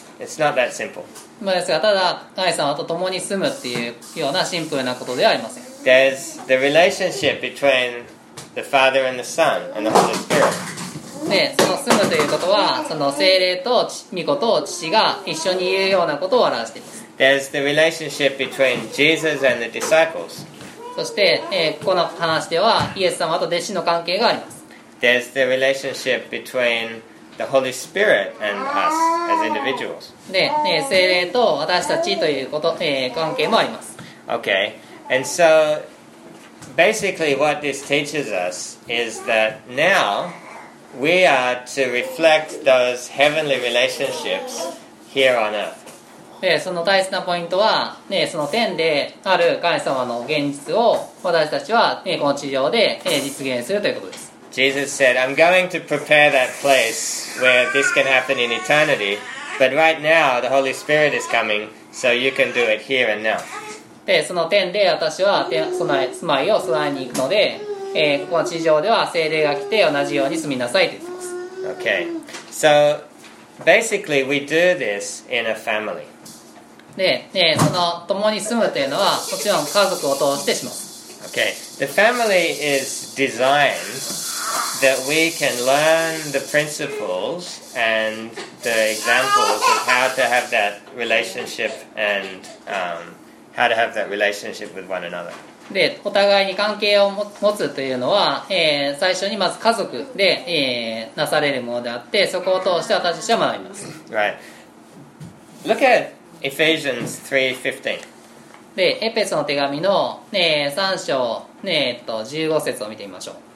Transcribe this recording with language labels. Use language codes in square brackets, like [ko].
[en] It's not that simple. [ja] まあですが、ただ神様と共に住むっていうようなシンプルなことではありません。 [en] There's the relationship between the Father and the Son and the Holy Spirit. [ja] でその住むということはその聖霊と御子と父が一緒にいるようなことを表しています。 [en] There's the relationship between Jesus and the disciples. [ja] そして、この話ではイエス様と弟子の関係があります。 [en] There's the relationship between the Holy Spirit and us as individuals. [ja] で、聖霊と私たちということ、関係もあります。 [en] Okay, and so basically what this teaches us is that nowWe are to reflect those heavenly relationships here on earth. [ja] で、その大切なポイントは、ね、その天である神様の現実を私たちは、ね、この地上で、ね、実現するということです。 [en] Jesus said, I'm going to prepare that place where this can happen in eternity, but right now the Holy Spirit is coming, so you can do it here and now. [ja] で、その天で私は住まいを備えに行くので、この地上では聖霊が来て同じように住みなさいと言っています。 [en] Okay, so basically we do this in a family. [ja] で、その共に住むというのはもちろん家族を通してします。 [en] Okay, the family is designed that we can learn the principles and the examples of how to have that relationship and、how to have that relationship with one another. [ja] でお互いに関係を持つというのは、最初にまず家族で、なされるものであってそこを通して私たちは学びます。 [en] Right. Look at Ephesians 3:15. [ja] でエペソの手紙の、3章、15節を見てみましょう。